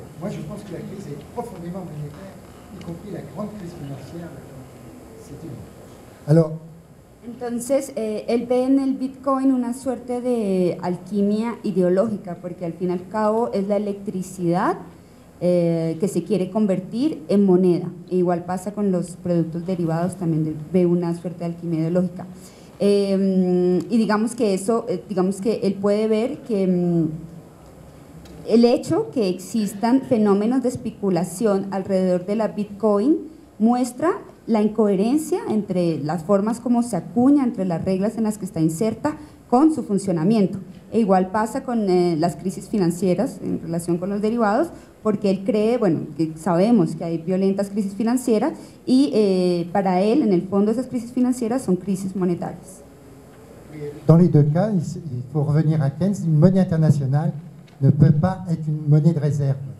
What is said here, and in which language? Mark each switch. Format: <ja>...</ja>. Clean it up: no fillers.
<fr>Moi, je pense que la crise est profondément monétaire, y compris la grande crise financière. C'est une... Alors.</fr> <es>Entonces, él ve en el Bitcoin una suerte de alquimia ideológica, porque al fin y al cabo es la electricidad que se quiere convertir en moneda. E igual pasa con los productos derivados, también ve una suerte de alquimia ideológica. Y digamos que eso, digamos que él puede ver que el hecho que existan fenómenos de especulación alrededor de la Bitcoin muestra la incoherencia entre las formas como se acuña, entre las reglas en las que está inserta, con su funcionamiento. E igual pasa con las crisis financieras en relación con los derivados, porque él cree, bueno, que sabemos que hay violentas crisis financieras y para él, en el fondo, esas crisis financieras son crisis monetarias.</es> <fr>Dans les deux cas, il faut revenir à Keynes, une monnaie internationale ne peut pas être une monnaie de réserve.</fr>